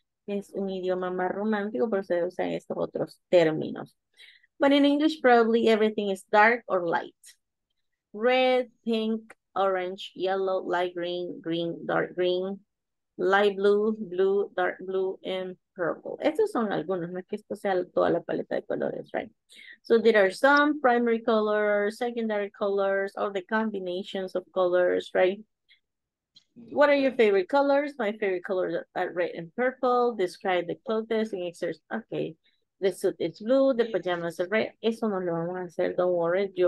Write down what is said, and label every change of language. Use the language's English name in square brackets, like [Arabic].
[Spanish] Es un idioma más romántico, pero se usan estos otros términos. [English] But in English, probably everything is dark or light. Red, pink, orange, yellow, light green, green, dark green, light blue, blue, dark blue, and purple. [Spanish] Estos son algunos, no es que esto sea toda la paleta de colores, [English] right? So there are some primary colors, secondary colors, or the combinations of colors, right? What are your favorite colors? My favorite colors are red and purple. Describe the clothes and exercise. Okay. The suit is blue. The pajamas are red. [Spanish] Eso no lo vamos a hacer. [English] Don't worry.